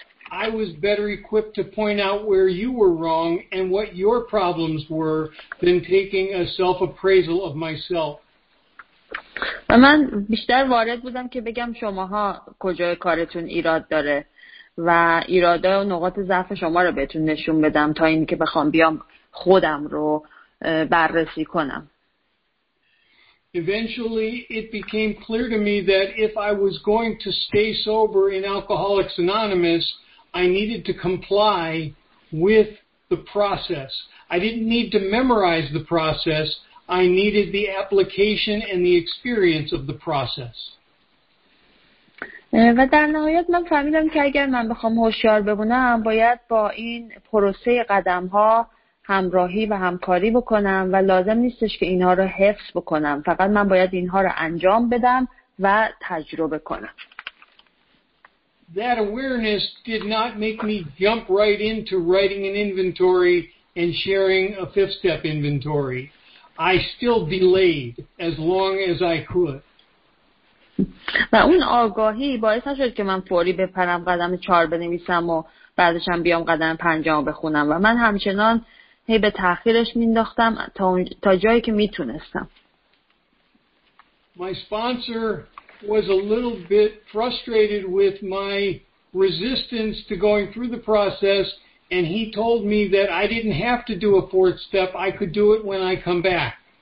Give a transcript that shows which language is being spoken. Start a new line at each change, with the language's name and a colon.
English: I was better equipped to point out where you were wrong and what your problems were than taking a self-appraisal of myself.
Persian: و من بیشتر وارد بودم که بگم شماها کجای کارتون ایراد داره و ایراده و نقاط ضعف شما رو بهتون نشون بدم تا اینی که بخوام بیام خودم رو بررسی کنم.
English: Eventually it became clear to me that if I was going to stay sober in Alcoholics Anonymous, I needed to comply with the process. I didn't need to memorize the process. I needed the application and the experience of the process.
Persian: و در نهایت من فهمیدم که اگر من بخوام هوشیار بمونم باید با این پروسه قدم‌ها همراهی و همکاری بکنم و لازم نیستش که اینها رو حفظ بکنم، فقط من باید اینها رو انجام بدم و تجربه کنم.
English: That awareness did not make me jump right into writing an inventory and sharing a fifth step inventory. I still delayed as long as I could.
Persian: و اون آگاهی باعث نشد که من فوری بپرم قدم 4 بنویسم و بعدش هم بیام قدم 5 بخونم و من همچنان هی به تأخیرش مینداختم تا جایی که میتونستم.
English: My sponsor was a little bit frustrated with my resistance to going through the process. And he told me that I didn't have to do a fourth step. I could do it when I come back.